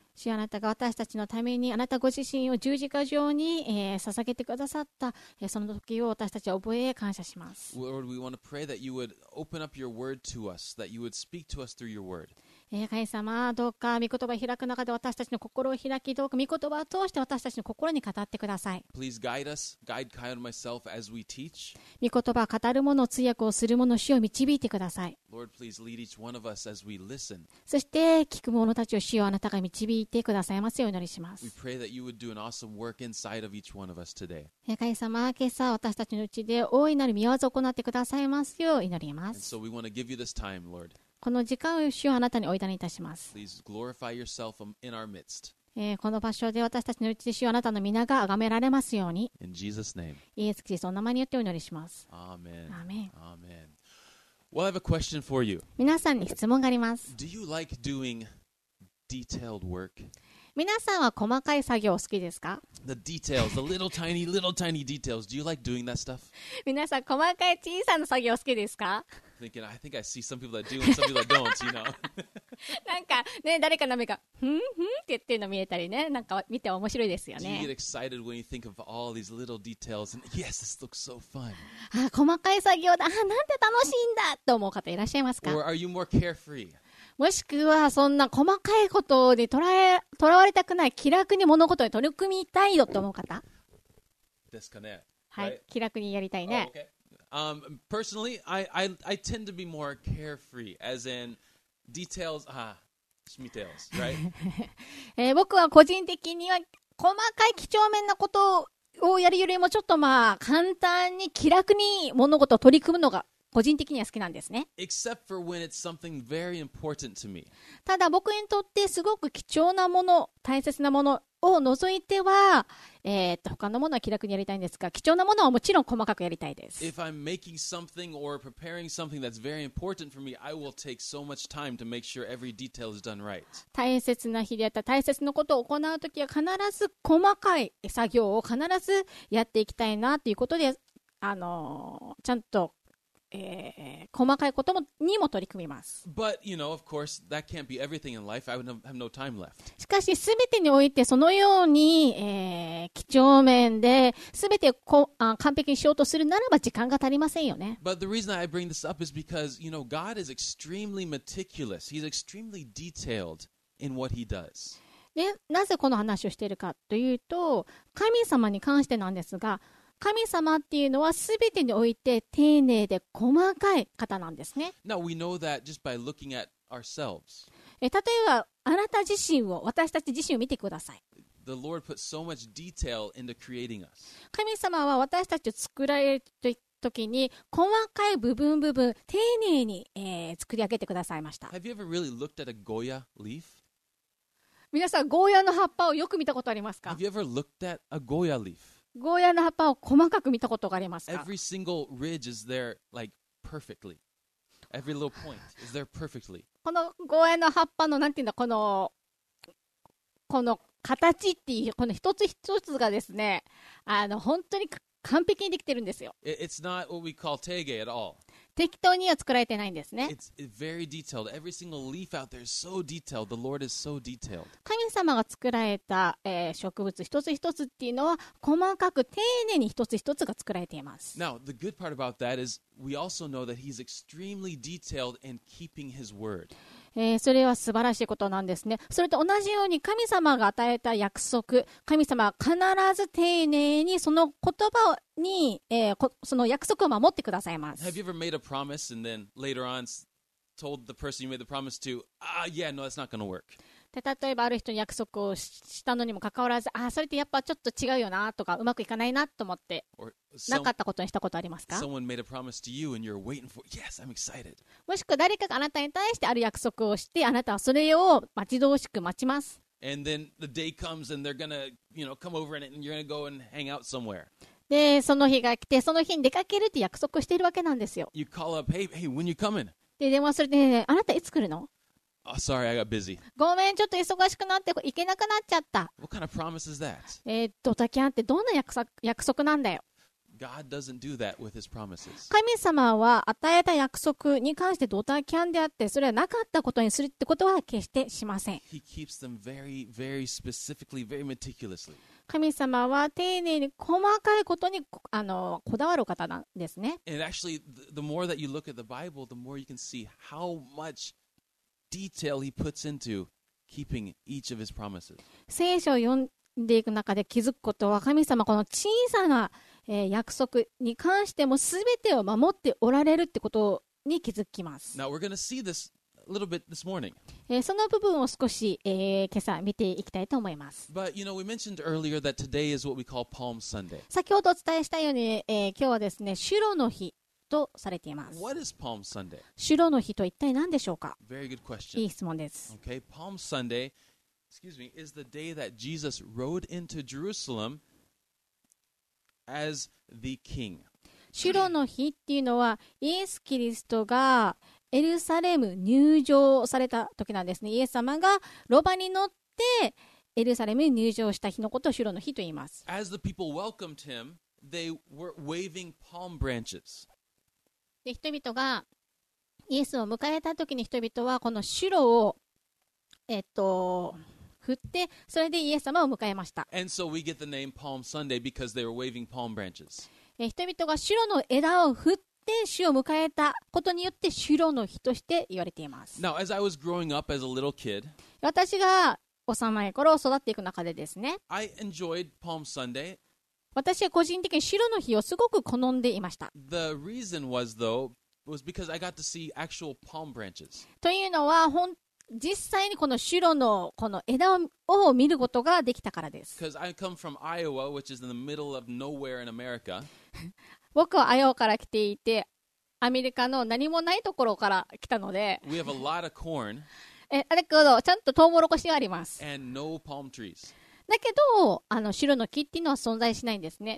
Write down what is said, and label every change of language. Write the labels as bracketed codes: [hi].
[ja] 主、あなたが私たちのためにあなたご自身を十字架上に、捧げてくださった、その時を私たちは覚え感謝します。 [en] Lord, we want to pray that you would open up your word to us, that you would speak to us through your word. [ja] 神様、どうか御言葉を開く中で私たちの心を開き、どうか御言葉を通して私たちの心に語ってください。 [en] Please guide us, guide Kyle and myself as we teach. [ja] 御言葉を語る者、通訳をする者、主を導いてください。 [en] Lord, please lead each one of us as we listen. [ja] そして、聞く者たちを主をあなたが導いてくださいますようお祈りします。 [en] We pray that you would do an awesome work inside of each one of us today. [ja] 神様、今朝私たちのうちで大いなる御業を行ってくださいますようお祈りします。 [en] And so we want to give you this time, Lord. [ja] この時間を主をあなたにお委ねいたします。 [en] Please glorify yourself in our midst. [ja] この場所で私たちのうちで主をあなたの皆が崇められますように。 [en] In Jesus' name. [ja] イエス・キリストの名前によってお祈りします。 [en] Amen. Amen. Amen. Well, I have a question for you. [ja] 皆さんに質問があります。 [en] Do you like doing detailed work? [ja] 皆さんは細かい作業を好きですか? [en] The details, the little tiny, little tiny details. Do you like doing that stuff? [ja] 皆さん細かい小さな作業を好きですか? [en] thinking, I think I see some people that do and some people that don't, you know. [ja] なんかね、誰かの目がふんふんって言ってるの見えたりね、なんか見て面白いですよね。 [en] Do you get excited when you think of all these little details and yes, this looks so fun. [ja] あ、細かい作業だ。あ、なんて楽しいんだと思う方いらっしゃいますか。 [en] Or are you more carefree? [ja] もしくはそんな細かいことにとらわれたくない、気楽に物事に取り組みたいよと思う方ですかね。はい、 [en] right? [ja] 気楽にやりたいね。 [en] Oh, okay. Personally, I tend to be more carefree, as in details, details, right? [ja] 僕は個人的には細かい几帳面なことをやるよりもちょっとまあ簡単に気楽に物事を取り組むのが個人的には好きなんですね。 [en] Except for when it's something very important to me. [ja] ただ僕にとってすごく貴重なもの、大切なものを除いては、他のものは気楽にやりたいんですが、貴重なものはもちろん細かくやりたいです。 [en] If I'm making something or preparing something that's very important for me, I will take so much time to make sure every detail is done right. [ja] 大切な日であった大切なことを行うときは必ず細かい作業を必ずやっていきたいなということで、ちゃんと細かいことにも取り組みます。 [en] But, you know, of course, that can't be everything in life. I would have no time left. [ja] しかし、すべてにおいてそのように、几帳面で、すべてこ、完璧にしようとするならば時間が足りませんよね。 [en] But the reason I bring this up is because, you know, God is extremely meticulous. He's extremely detailed in what he does. [ja] で、なぜこの話をしているかというと、神様に関してなんですが、神様っていうのは全てにおいて丁寧で細かい方なんですね。 [en] Now, we know that just by looking at ourselves. [ja] 例えばあなた自身を、私たち自身を見てください。 [en] The Lord put so much detail into creating us. [ja] 神様は私たちを作られる時に細かい部分部分丁寧に、作り上げてくださいました。 [en] Have you ever really looked at a Goya leaf? [ja] 皆さん、ゴーヤの葉っぱをよく見たことありますか? [en] Have you ever looked at a Goya leaf? [ja] ゴーヤの葉っぱを細かく見たことがありますか? [en] Every single ridge is there, like, perfectly. Every little point is there perfectly. [ja] このゴーヤの葉っぱの、なんていうんだ、この形っていう、この一つ一つがですね、本当に完璧にできてるんですよ。 [en] It's not what we call teige at all. [ja] 適当には作られてないんですね。 [en] It's very detailed. Every single leaf out there is so detailed. The Lord is so detailed. [ja] 神様が作られた、植物一つ一つっていうのは細かく丁寧に一つ一つが作られています。 [en] Now, the good part about that is we also know that he's extremely detailed in keeping his word. [ja] それは素晴らしいことなんですね。それと同じように神様が与えた約束、神様は必ず丁寧にその言葉に、その約束を守ってくださいます。 [en] Have you ever made a promise and then later on told the person you made the promise to, yeah, no, that's not going to work. [ja] 例えばある人に約束をしたのにもかかわらず、それってやっぱちょっと違うよなとか、うまくいかないなと思って。なかったことにしたことありますか? [en] Someone made a promise to you and you're waiting for it. Yes, I'm excited. [ja] もしくは誰かがあなたに対してある約束をして、あなたはそれを待ち遠しく待ちます。 [en] And then the day comes and they're gonna, you know, come over and you're gonna go and hang out somewhere. [ja] で、その日が来てその日に出かけるって約束しているわけなんですよ。 [en] You call up, hey, when you coming? [ja] で、電話するで、あなたいつ来るの? [en] Oh, sorry, I got busy. [ja] ごめん、ちょっと忙しくなって行けなくなっちゃった。 [en] What kind of promise is that? [ja] ドタキャンってどんな約束なんだよ。 [en] God doesn't do that with his promises. [ja] 神様は与えた約束に関してドタキャンであって、それはなかったことにするってことは決してしません。 [en] He keeps them very, very specifically, very meticulously. [ja] 神様は丁寧に細かいことにこだわる方なんですね。 [en] And actually, the more that you look at the Bible, the more you can see how much detail he puts into keeping each of his promises. [ja] 聖書を読んでいく中で気づくことは、神様この小さな約束に関しても全てを守っておられるってことに気づきます。 [en] Now we're going to see this a little bit this morning. [ja] その部分を少し、今朝見ていきたいと思います。 [en] But you know, we mentioned earlier that today is what we call Palm Sunday. [ja] 先ほどお伝えしたように、今日はですね、シュロの日とされています。 [en] What is Palm Sunday? [ja] シュロの日と一体何でしょうか。 [en] Very good question. [ja] いい質問です。 [en] Okay, Palm Sunday, excuse me, is the day that Jesus rode into Jerusalem. As the king. [ja] シュロの日っていうのはイエス・キリストがエルサレム入城された時なんですね。イエス様がロバに乗ってエルサレムに入城した日のことをシュロの日と言います。 [en] As the people welcomed him, they were waving palm branches. [ja] で、人々がイエスを迎えた時に人々はこのシュロを振ってそれでイエス様を迎えました。 [en] And so we get the name Palm Sunday because they were waving palm branches. [ja] 人々がシュロの枝を振って主を迎えたことによって主路の日として言われています。 [en] Now, as I was growing up as a little kid, [ja] 私が幼い頃育っていく中でですね、 [en] I enjoyed Palm Sunday. [ja] 私は個人的に主路の日をすごく好んでいました。 [en] The reason was, though, was because I got to see actual palm branches. [ja] というのは実際にこの主路のこの枝を見ることができたからです。 [en] Because I come from Iowa, which is in the middle of nowhere in America. [ja] 僕はアイオワから来ていて、アメリカの何もないところから来たので、 [en] We have a lot of corn, [ja] だけどちゃんとトウモロコシがあります。 [en] And no palm trees. [ja] だけど、あの白の木っていうのは存在しないんですね。